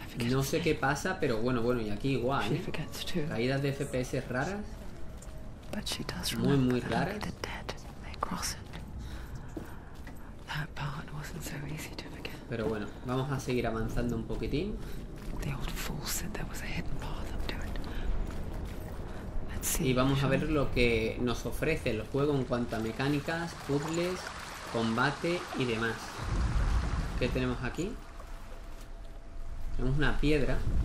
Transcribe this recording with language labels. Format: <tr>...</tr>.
<es>No sé qué pasa, pero bueno, bueno, y aquí igual, ¿eh? Caídas de FPS raras.</es> <en>But she does</en> <es>muy, muy rara.</es> <en>The dead, they cross it. That part wasn't so easy to forget.</en> <es>Pero bueno, vamos a seguir avanzando un poquitín.</es> <en>The old fool said there was a hidden path up to it. Let's see.</en> <es>Y vamos a ver lo que nos ofrece el juego en cuanto a mecánicas, puzzles, combate y demás. ¿Qué tenemos aquí? Tenemos una piedra.</es>